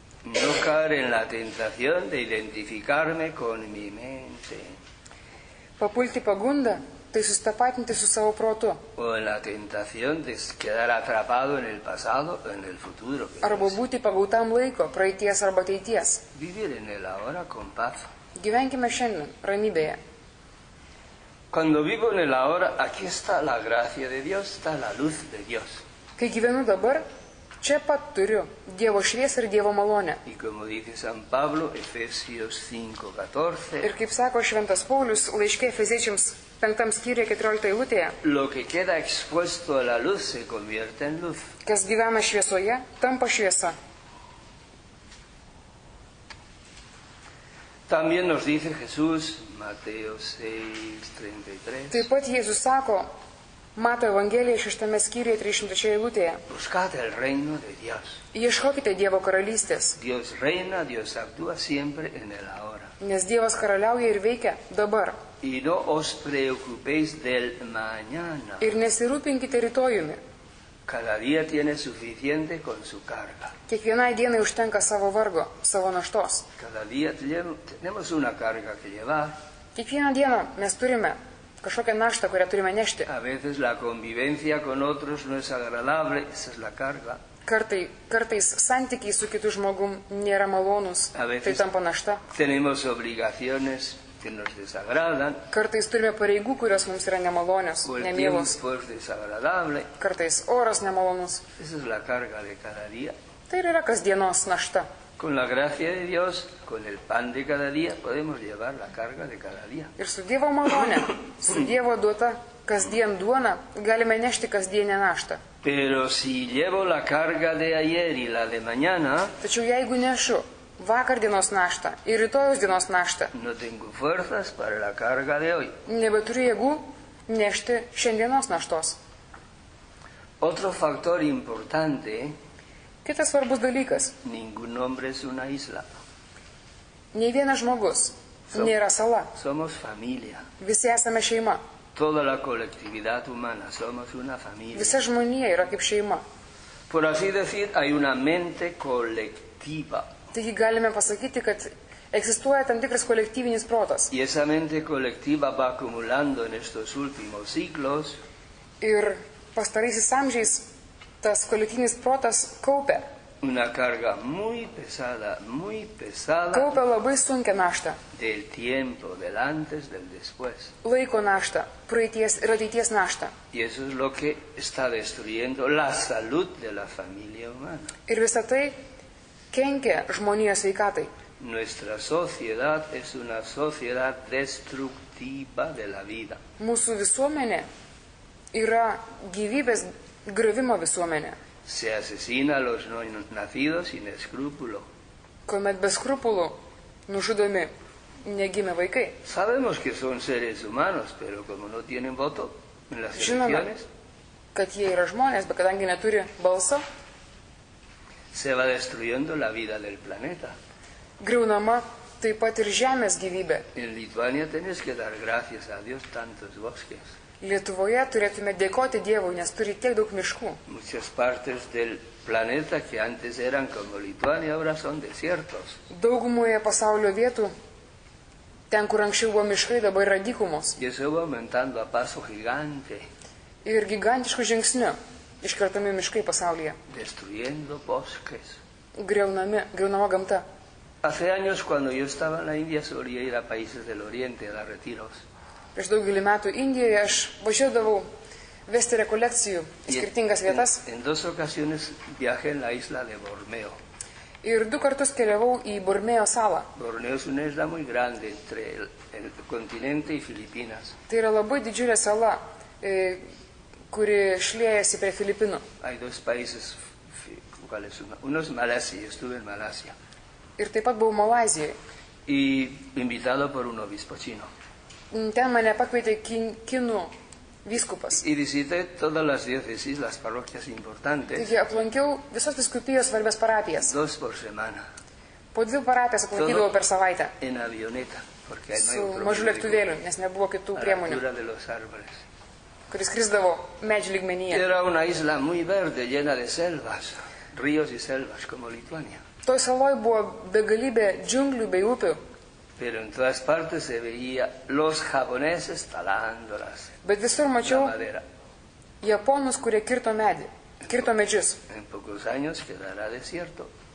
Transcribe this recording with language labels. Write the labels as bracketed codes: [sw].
[es] No caer en la tentación de identificarme con mi mente. [lt] Papulti pagundą. Tai susitapatinti su savo protu. [es] O en la tentación de quedar atrapado en el pasado o en el futuro. [lt] Arba būti pagautam laiko, praeities arba ateities. [es] Vivir en el ahora con paz. [lt] Gyvenkime šiandien, ramybėje. [es] Cuando vivo en el ahora, aquí está la gracia de Dios, está la luz de Dios. [lt] Kai gyvenu dabar, Čia pat turiu Dievo šviesą ir Dievo malonę. [es] Y como dice San Pablo, Efesios 5:14. [lt] Ir kaip sako Šventas Paulius laiške Efeziečiams 5 skyriuje 14 eilutėje. [es] Lo que queda expuesto a la luz se convierte en luz. [lt] Kas gyvena šviesoje, tampa šviesa. [es] También nos dice Jesús, Mateo 6:33. [lt] Taip pat Jėzus sako Mato Evangelija 6 skyriuje 33 eilutėje. [es] Buscate el reino de Dios. [lt] Ieškokite Dievo karalystės. [es] Dios reina, Dios actúa siempre en el ahora. [lt] Nes Dievas karaliauja ir veikia dabar. [es] Y no os preocupéis del mañana. [lt] Ir nesirūpinkite rytojumi. [es] Cada día tiene suficiente con su carga. [lt] Kiekvienai dienai užtenka savo vargo, savo naštos. [es] Cada día tenemos una carga que llevar. [lt] Kiekvieną dieną mes turime kažkokią naštą, kurią turime nešti. [es] A veces la convivencia con otros no es agradable, esa es la carga. [lt] Kartais santykiai su kitu žmogum nėra malonus, tai tampa našta. [es] Tenemos obligaciones que nos desagradan. [lt] Kartais turime pareigų, kurios mums yra nemalonios, nemielos. [es] Pues desagradable. [lt] Kartais oras nemalonus. [es] Esa es la carga de cada día. [lt] Tai yra kasdienos našta. [es] Con la gracia de Dios, con el pan de cada día, podemos llevar la carga de cada día. [lt] Ir su Dievo malonė, su Dievo duota kasdien duona, galime nešti kasdienę naštą. [es] Pero si llevo la carga de ayer y la de mañana, [lt] tačiau jeigu nešu vakar dienos naštą ir rytojus dienos naštą, [es] no tengo fuerzas para la carga de hoy. [lt] Nebeturiu jėgų nešti šiandienos naštos. [es] Otro factor importante. [lt] Kitas svarbus dalykas. [es] Ningún hombre es una isla. [lt] Nei vienas žmogus nėra sala. [es] Somos familia. [lt] Visi esame šeima. [es] Toda la colectividad humana somos una familia. [lt] Visa žmonija yra kaip šeima. [es] Por así decir, hay una mente colectiva. [lt] Taigi galime pasakyti, kad egzistuoja tam tikras kolektyvinis protas. [es] Y esa mente colectiva va acumulando en estos últimos siglos. [lt] Ir pastaraisiais amžiais tas kolektyvinis protas kaupia. [es] Una carga muy pesada, [lt] kaupia labai sunkia našta. [es] Del tiempo, del antes, del después. [lt] Laiko našta, praeities ir ateities našta. [es] Y eso es lo que está destruyendo la salud de la familia humana. [lt] Ir visa tai kenkia žmonijos sveikatai. [es] Nuestra sociedad es una sociedad destructiva de la vida. [lt] Mūsų visuomenė yra gyvybės grįvimo visuomenė. [es] Se asesina a los no nacidos sin escrúpulo. [lt] Kuomet be skrupulų nužudomi negimę vaikai. [es] Sabemos que son seres humanos, pero como no tienen voto en las elecciones. [lt] Kad jie yra žmonės, bet kadangi neturi balso. [es] Se va destruyendo la vida del planeta. [lt] Griūnama taip pat ir žemės gyvybė. [es] En Lituania tenés que dar gracias a Dios tantos bosques. [lt] Lietuvoje turėtume dėkoti Dievui, nes turi tiek daug miškų. [es] Muchas partes del planeta que antes eran como Lituania, ahora son desiertos. [lt] Daugumoje pasaulio vietų, ten kur anksčiau buvo miškai, dabar yra dykumos. [es] Y eso va aumentando a paso gigante. [lt] Ir gigantiškų žingsnių iškertami miškai pasaulyje. [es] Destruyendo bosques. [lt] Griaunama gamta. [es] Hace años cuando yo estaba en la India solía ir a países del oriente a dar retiros. [lt] Prieš daugelį metų Indijoje aš važiuodavau vesti rekolekcijų į skirtingas vietas. [es] En dos ocasiones viajé en la isla de Borneo. [lt] Ir du kartus keliavau į Borneo salą. [es] Borneo es una isla muy grande entre el continente y Filipinas. [lt] Tai yra labai didžiulė sala, kuri šliejasi prie Filipinų. [es] Hay dos países, ¿cuál es uno? Uno es Malasia, estuve en Malasia. [lt] Ir taip pat buvau Malazijoje. [es] Y invitado por un obispo chino. [lt] Ten mane pakvietė kinų vyskupas. [es] Y visité todas las diócesis, las parroquias importantes. [lt] Taigi aplankiau visas vyskupijos svarbias parapijas. [es] Dos por semana. [lt] Po dvi parapijas aplankydavau per savaitę. [es] En avioneta, porque [lt] su mažu lėktuvėliu, nes nebuvo kitų priemonių. [es] Altura de los árboles. [lt] Kuris skrisdavo medžių lygmenyje. [es] Era una isla muy verde, llena de selvas, ríos y selvas, como Lituania. [lt] Toj saloj buvo begalybė džiunglių bei upių. [es] Pero en todas partes se veía los japoneses talando las. [lt] Bet visur mačiau japonus, kurie kirto medžius. [es] En pocos años quedará desierto.